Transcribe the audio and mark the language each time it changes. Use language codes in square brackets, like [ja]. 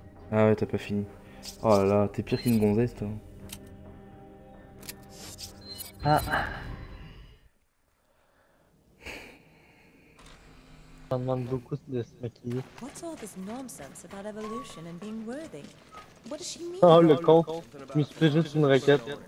[fr] Ah ouais, t'as pas fini. Oh là là, t'es pire qu'une gonzesse toi. Ah. Ça demande beaucoup de se maquiller. [en] What's all this nonsense about evolution and being worthy? What does she Oh mean? [fr] le con, je me suis fait juste une raquette.